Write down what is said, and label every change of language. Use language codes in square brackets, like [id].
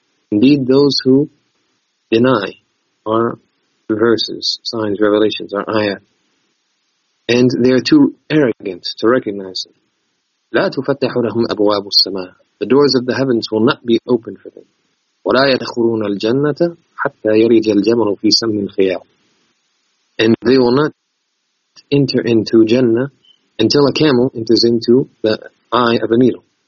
[en] Indeed, those who deny our verses, signs, revelations, our ayat, and they are too arrogant to recognize them. [ar] لا تفتح لهم أبواب السماء. [en] The doors of the heavens will not be open for them. [ar] ولا يدخلون الجنة حتى يرج الجمل في سم الخيال. [en] And they will not enter into Jannah until a camel enters into the eye of a needle.